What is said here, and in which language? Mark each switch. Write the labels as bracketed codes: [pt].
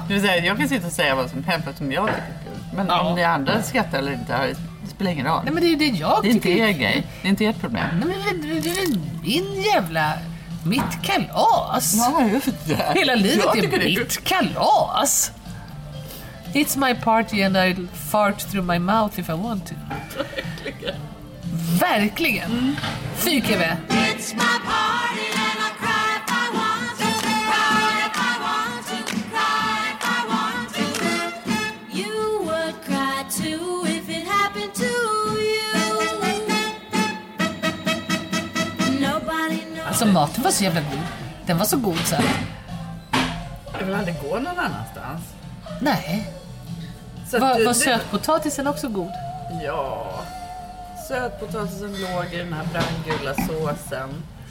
[sv] Det vill säga, jag kan sitta och säga vad som händer som jag tycker är kul. Men ja, om ni andra skrattar eller inte, det spelar ingen roll. Nej, men det är ju det jag tycker. Det är inte er grej. Det är inte ert problem. Nej, men det är min jävla... Mitt kalas. Nej, hela livet är mitt kalas. [en] It's my party and I fart through my mouth if I want to. [sv] Verkligen. Fy Keve. [en] It's my party and I cry if I want to. Cry if I want to. Cry if I want to. You would cry too if it happened to you. Nobody knows. [sv] Alltså maten var så jävla god. Den var så god så. Jag vill aldrig gå någon annanstans. Nej. Var sötpotatisen också god? Ja. Sötpotatisen låg i den här brandgula såsen.